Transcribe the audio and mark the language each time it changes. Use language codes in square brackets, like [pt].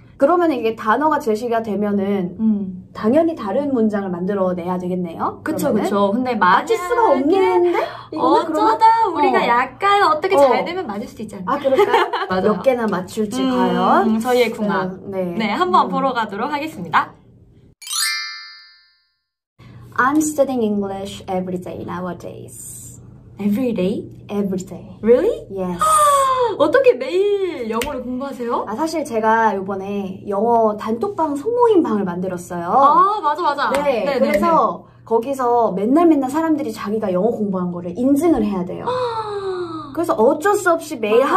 [ko] 그러면 이게 단어가 제시가 되면은 당연히 다른 문장을 만들어내야 되겠네요? 그쵸, 그러면은? 그쵸. 근데 맞을 수가 없는데? 어쩌다 우리가 약간 어떻게 잘 되면 맞을 수도 있잖아요. 아, 그럴까요? 몇 개나 맞출지 과연? 저희의 궁합. 네, 한번 보러 가도록 하겠습니다. [en] I'm studying English every day nowadays. Every day? Every day. Really? Yes. [ko] 어떻게 매일 영어를 공부하세요? 아, 사실 제가 이번에 영어 단톡방 소모임방을 만들었어요. 아, 맞아, 맞아. 네. 네네네. 그래서 거기서 맨날 사람들이 자기가 영어 공부한 거를 인증을 해야 돼요. 그래서 어쩔 수 없이 매일 맞아.